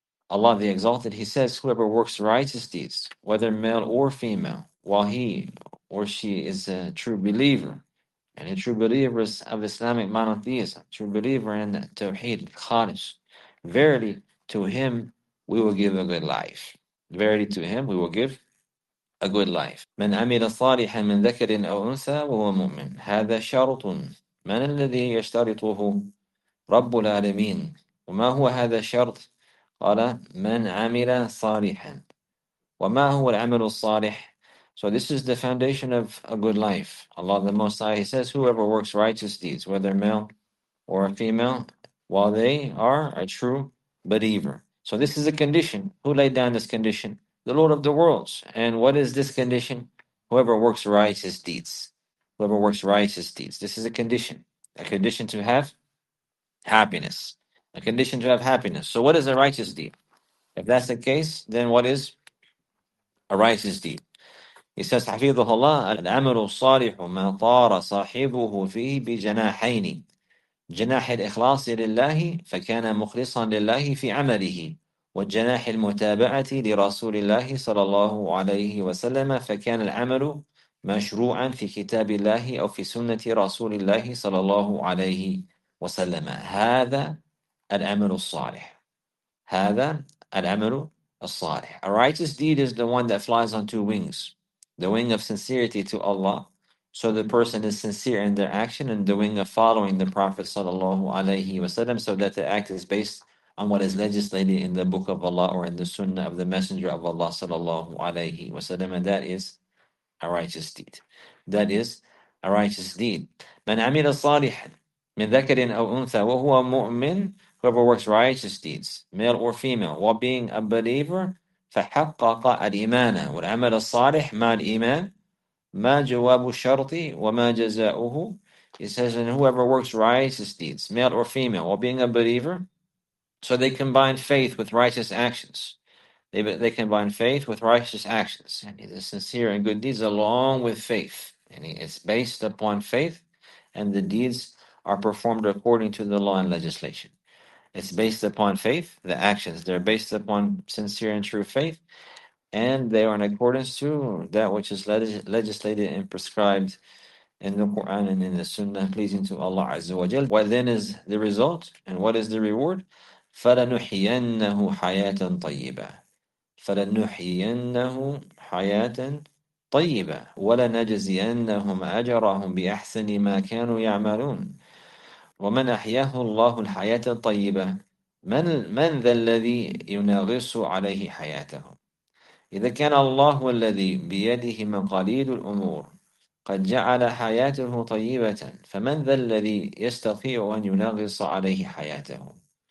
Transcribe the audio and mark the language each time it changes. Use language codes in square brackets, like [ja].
[en] Allah the Exalted, he says, whoever works righteous deeds, whether male or female, while he or she is a true believer, and a true believer is of Islamic monotheism, true believer in Tawheed, Khalis, verily to him we will give a good life. Verily to him we will give a good life. [ar] من عمل صالحا من ذكر أو أنثى وهو مؤمن هذا شرط من الذي يشترطه رب العالمين وما هو هذا الشرط قال من عمل صالحا وما هو العمل الصالح. [en] So this is the foundation of a good life. Allah the Most High, he says, whoever works righteous deeds, whether male or female, while they are a true believer. So this is a condition. Who laid down this condition? The Lord of the worlds. And what is this condition? Whoever works righteous deeds. Whoever works righteous deeds. This is a condition. A condition to have happiness. A condition to have happiness. So what is a righteous deed? If that's the case, then what is a righteous deed? [ar] He says, حفظه الله العمل الصالح ما طار صاحبه فيه بجناحين جناح الإخلاص لله فكان مخلصا لله في عمله والجناح المتابعة لرسول الله صلى الله عليه وسلم فكان العمل مشروعا في كتاب الله أو في سنة رسول الله صلى الله عليه وسلم. هذا العمل الصالح. [en] هذا العمل الصالح. A righteous deed is the one that flies on two wings. the wing of sincerity to Allah, so the person is sincere in their action, and the wing of following the Prophet sallallahu alaihi wasallam, so that the act is based on what is legislated in the book of Allah or in the sunnah of the Messenger of Allah sallallahu alaihi wasallam, and that is a righteous deed. That is a righteous deed. من عمل صالح من ذكر أو أنثى وهو مؤمن, whoever works righteous deeds, male or female, while being a believer, فحقق الإيمان. [ar] والعمل الصالح مع الإيمان, ما جواب الشرط وما جزاؤه. [en] It says, and whoever works righteous deeds, male or female, while being a believer, so they combine faith with righteous actions. They combine faith with righteous actions. And it is sincere and good deeds along with faith. And it's based upon faith, and the deeds are performed according to the law and legislation. It's based upon faith, the actions. They're based upon sincere and true faith, and they are in accordance to that which is legislated and prescribed in the Quran and in the Sunnah, pleasing to Allah Azza wa Jal. What then is the result, and what is the reward? [ar] فَلَنُحْيِيَنَّهُ حَيَاةً طَيِّبَةً فَلَنُحْيِيَنَّهُ حَيَاةً طَيِّبَةً وَلَنَجْزِيَنَّهُمْ أَجْرَهُمْ بِأَحْسَنِ مَا كَانُوا يَعْمَلُونَ وَمَنْ أَحْيَاهُ اللَّهُ الْحَيَاةَ الطَّيِّبَةَ مَنْ ذَا الَّذِي يُنَغِّصُ عَلَيْهِ حَيَاتَهُ إِذَا كَانَ اللَّهُ الَّذِي بِيَدِهِ مَقَالِيدُ الْأُمُورِ قَدْ جَعَلَ حَيَاتَهُ طَيِّبَةً فَمَنْ ذَا الَّذِي يَسْتَطِيعُ أَنْ يُنَغِّصَ عَلَيْهِ حَيَاتَهُ